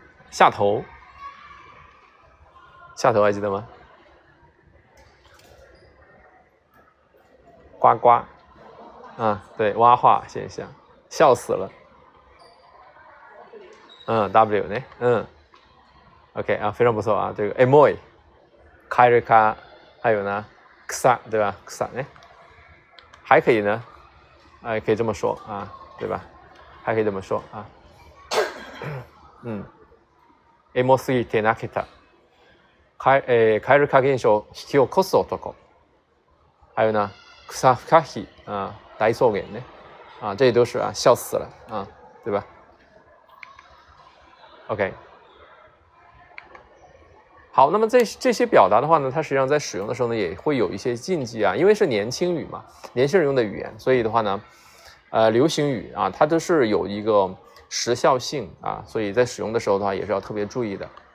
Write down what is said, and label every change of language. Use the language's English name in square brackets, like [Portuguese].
[Chinese] 下头还记得吗？呱呱，对，蛙化现象，笑死了。 W 呢？ OK 啊，非常不错啊，这个 emoji， カエル卡，还有呢，草，对吧？草呢？还可以呢，可以这么说啊，对吧？还可以这么说啊。 [Japanese] emo すぎて泣けた。カエル卡現象引き起こす男。 [Chinese] 还有呢？草不可惜啊，大草原呢，这些都是啊，笑死了啊，对吧 ？OK， 好，那么这些表达的话呢，它实际上在使用的时候呢，也会有一些禁忌啊，因为是年轻语嘛，年轻人用的语言，所以的话呢，流行语啊，它都是有一个时效性啊，所以在使用的时候的话，也是要特别注意的。